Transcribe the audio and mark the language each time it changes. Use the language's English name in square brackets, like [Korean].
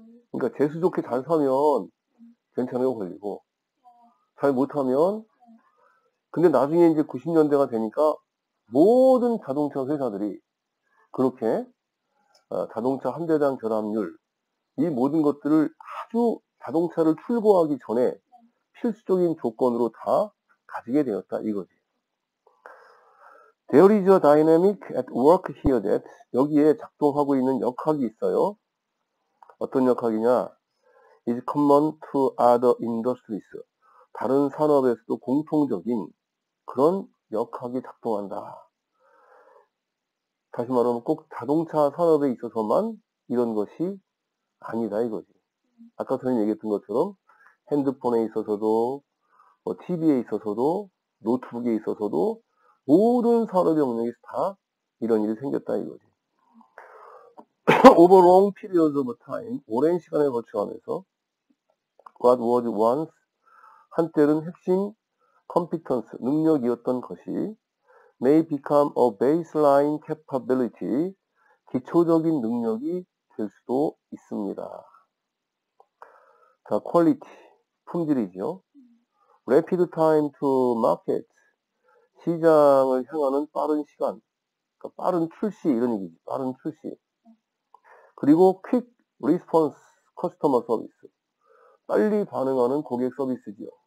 [Korean] 그러니까 재수 좋게 잘 사면 괜찮아요 걸리고 잘 못하면 근데 나중에 이제 90년대가 되니까 모든 자동차 회사들이 그렇게 자동차 한 대당 결함률 이 모든 것들을 아주 자동차를 출고하기 전에 필수적인 조건으로 다 가지게 되었다 이거지. [English] There is a dynamic at work here that [Korean] 여기에 작동하고 있는 역학이 있어요. 어떤 역학이냐? [English] Is common to other industries. [Korean] 다른 산업에서도 공통적인 그런 역학이 작동한다. 다시 말하면 꼭 자동차 산업에 있어서만 이런 것이 아니다 이거지. 아까 전에 얘기했던 것처럼 핸드폰에 있어서도 뭐 TV에 있어서도 노트북에 있어서도 모든 산업 영역에서 다 이런 일이 생겼다 이거지. [English] Over long periods of time, [Korean] 오랜 시간에 거쳐가면서 [English] What was once, [Korean] 한때는 핵심 [English] competence, [Korean] 능력이었던 것이 [English] may become a baseline capability, [Korean] 기초적인 능력이 될 수도 있습니다. 자, quality, 품질이죠. [English] Rapid time to market, [Korean] 시장을 향하는 빠른 시간, 그러니까 빠른 출시, 이런 얘기지, 빠른 출시. 그리고 [English] quick response customer service, [Korean] 빨리 반응하는 고객 서비스죠.